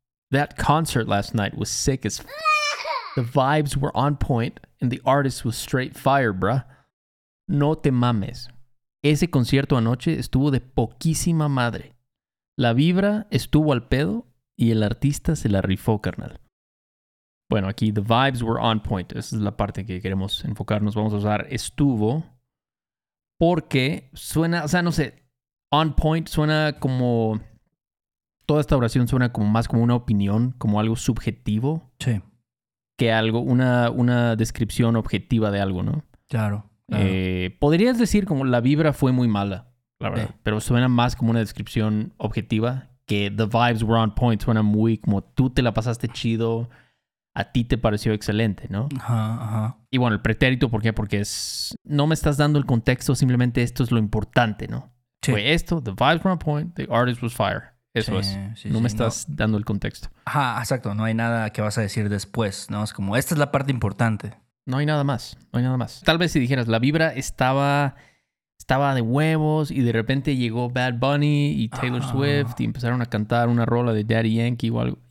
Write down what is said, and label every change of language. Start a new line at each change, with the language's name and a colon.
English: That concert last night was sick as f***. The vibes were on point and the artist was straight fire, bruh.
Spanish: No te mames. Ese concierto anoche estuvo de poquísima madre. La vibra estuvo al pedo y el artista se la rifó, carnal. Bueno, aquí
English: the vibes were on point.
Spanish: Esa es la parte que queremos enfocarnos. Vamos a usar estuvo porque suena, o sea, no sé,
English: on point
Spanish: suena como... toda esta oración suena como más como una opinión, como algo subjetivo. Sí. Que algo, una descripción objetiva de algo, ¿no? Claro. Podrías decir como la vibra fue muy mala, la verdad. Pero suena más como una descripción objetiva que
English: the vibes were on point.
Spanish: Suena muy como tú te la pasaste chido, a ti te pareció excelente, ¿no? Ajá. Y bueno, el pretérito, ¿por qué? Porque es... no me estás dando el contexto, simplemente esto es lo importante, ¿no? Sí. Fue esto,
English: the vibes were on point, the artist was fire.
Spanish: Eso sí, es. Sí, no me estás dando el contexto. Ajá, exacto. No hay nada que vas a decir después, ¿no? Es como, esta es la parte importante. No hay nada más, no hay nada más. Tal vez si dijeras, la vibra estaba de huevos y de repente llegó Bad Bunny y Taylor Swift y empezaron a cantar una rola de Daddy Yankee o algo.